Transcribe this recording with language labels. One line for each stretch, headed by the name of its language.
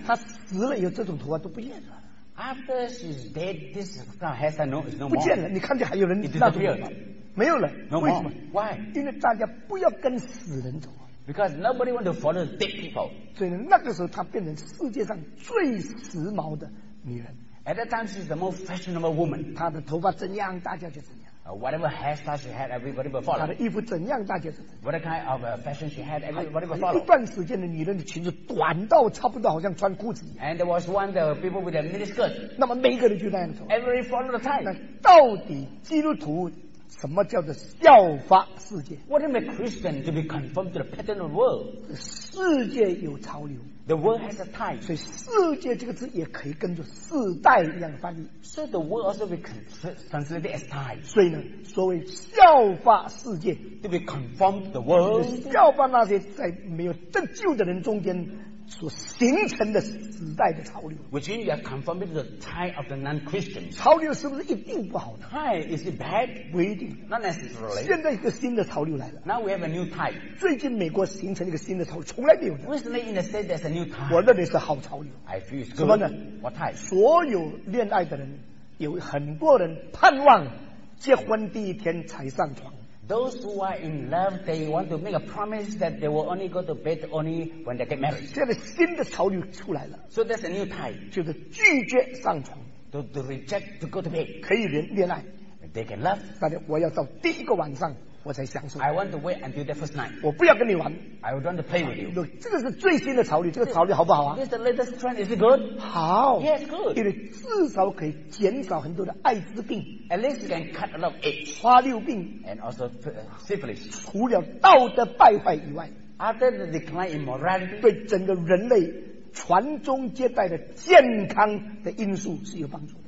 Chinese: 她死了以后这种头发都不见了。
English: After she's dead, this crown has no more.
Chinese: 不见了，你看见还有人
English: it disappeared.
Chinese: 没有了,
English: no
Chinese: 为什么?
English: More. Why?
Chinese: 因为大家不要跟死人走。
English: Because nobody wants to follow dead people.
Chinese: 所以那个时候她变成世界上最时髦的女人。
English: At that time, she's the most fashionable woman.
Chinese: 她的头发怎样，大家就怎样。
English: Whatever hairstyle she had, everybody will follow.
Chinese: 她的衣服怎样，大家就怎样。
English: What kind of fashion she had, everybody will follow.
Chinese: 一段时间的女人的裙子短到差不多好像穿裤子。
English: And there was one, the people with a miniskirt.
Chinese: 那么每一个人就那样做。
English: Every follow the time.
Chinese: 那到底基督徒 什么叫做效法世界?
English: What is a Christian to be conformed to the pattern of the world?
Chinese: 世界有潮流。
English: The world has a time.
Chinese: 所以世界这个字也可以跟着世代一样翻译。
English: So the world also be translated as time.
Chinese: 所以呢，所谓效法世界
English: to be conformed to the world.
Chinese: 效法那些在没有得救的人中间 所形成的时代的潮流,
English: which means you are conforming to the tide of the non-Christians.
Chinese: 潮流是不是一定不好?
English: Tide, is it bad?
Chinese: 不一定,
English: not necessarily.
Chinese: 现在一个新的潮流来了,
English: now we have a new tide.
Chinese: 最近美国形成一个新的潮流, 从来没有的。
English: Recently in the state there's a new tide.
Chinese: 我认为是好潮流。
English: I feel it's good.
Chinese: 什么呢?
English: What tide?
Chinese: 所有恋爱的人, 有很多人盼望结婚第一天才上床。
English: Those who are in love, they want to make a promise that they will only go to bed only when they get married.
Chinese: 现在新的潮流出来了,
English: so that's a new tide.
Chinese: 就是拒绝上床,
English: to reject to go to bed.
Chinese: 可以恋爱,
English: they can love.
Chinese: 但是我要到第一个晚上我才享受,
English: I want to wait until the first night.
Chinese: 我不要跟你玩,
English: I don't want to play with you.
Chinese: 这个是最新的潮流, 这个潮流好不好啊?
English: This is the latest trend, is it good?
Chinese: 好,
English: yes, good.
Chinese: 因为至少可以减少很多的艾滋病,
English: at least you can cut a lot of AIDS,
Chinese: 花柳病,
English: and also syphilis.
Chinese: 除了道德败坏以外,
English: after the decline in morality,
Chinese: 对整个人类 传宗接代的健康的因素是有帮助的。